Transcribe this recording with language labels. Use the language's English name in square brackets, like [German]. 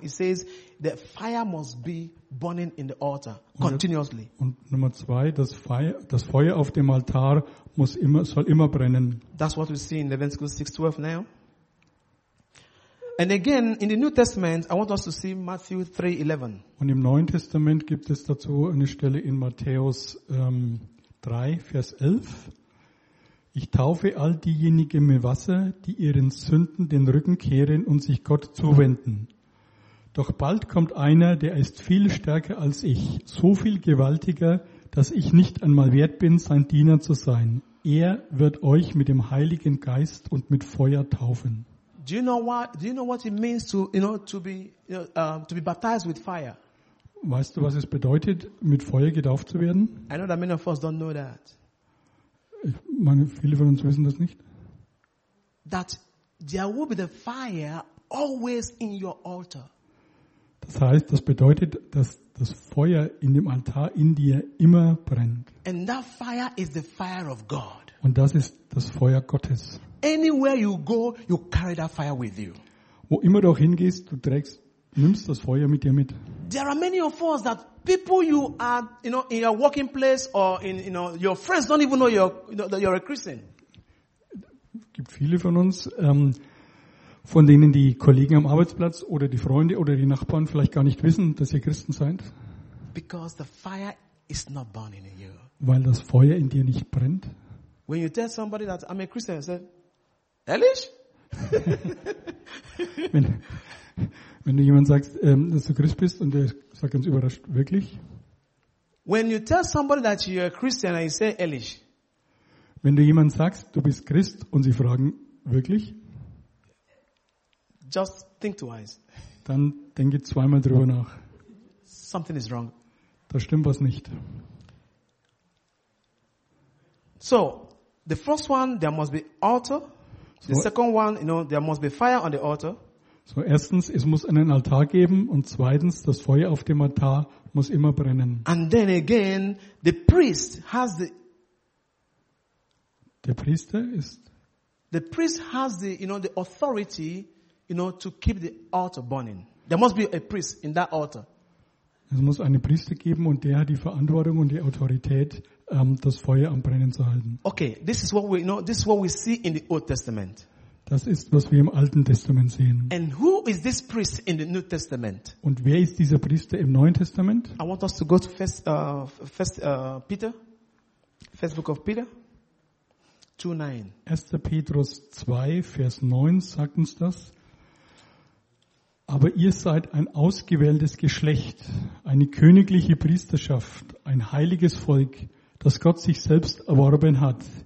[English] It says the fire must be burning in the altar continuously. [German] Und Nummer zwei, das Feuer auf dem Altar soll immer brennen. [English] That's what we see in Leviticus 6:12 now. And again, in the New Testament, I want us to see Matthew 3:11. [German] Und im Neuen Testament gibt es dazu eine Stelle in Matthäus 3, Vers 11. Ich taufe all diejenigen mit Wasser, die ihren Sünden den Rücken kehren und sich Gott zuwenden. Doch bald kommt einer, der ist viel stärker als ich, so viel gewaltiger, dass ich nicht einmal wert bin, sein Diener zu sein. Er wird euch mit dem Heiligen Geist und mit Feuer taufen. Weißt du, was es bedeutet, mit Feuer getauft zu werden? [English] I know that many of us don't know that. [German] Ich meine, viele von uns wissen das nicht. [English] That there will be the fire always in your altar. [German] Das heißt, das bedeutet, dass das Feuer in dem Altar in dir immer brennt. [English] And that fire is the fire of God. [German] Und das ist das Feuer Gottes. [English] Anywhere you go, you carry that fire with you. [German] Wo immer du auch hingehst, du nimmst das Feuer mit dir mit. [English] There are many of us that people you are, in your working place or in your friends don't even know that you're a Christian. [German] Es gibt viele von uns, von denen die Kollegen am Arbeitsplatz oder die Freunde oder die Nachbarn vielleicht gar nicht wissen, dass ihr Christen seid. [English] Because the fire is not burning in you. [German] Weil das Feuer in dir nicht brennt. [English] When you tell somebody that I'm a Christian, say, [German] ehrlich? Wenn du jemand sagst, dass du Christ bist, und der sagt ganz überrascht, wirklich? [English] When you tell somebody that you're a Christian and you say, [German] ehrlich? Wenn du jemand sagst, du bist Christ, und sie fragen, wirklich? [English] Just think twice. [German] Dann denke zweimal drüber nach. [English] Something is wrong. [German] Da stimmt was nicht. [English] So, the first one, there must be altar. The second one, there must be fire on the altar. [German] So erstens, es muss einen Altar geben, und zweitens, das Feuer auf dem Altar muss immer brennen. [English] And then again, the priest has the. [German] Der Priester ist. [English] The priest has the, the authority, to keep the altar burning. There must be a priest in that altar. [German] Es muss einen Priester geben, und der hat die Verantwortung und die Autorität, das Feuer am Brennen zu halten. [English] Okay, this is what we see in the Old Testament. [German] Das ist, was wir im Alten Testament sehen. [English] And who is this priest in the New Testament? [German] Und wer ist dieser Priester im Neuen Testament? [English] I want us to go to First Book of Peter 2:9. [German] 1. Petrus 2, Vers 9 sagt uns das. Aber ihr seid ein ausgewähltes Geschlecht, eine königliche Priesterschaft, ein heiliges Volk, das Gott sich selbst erworben hat.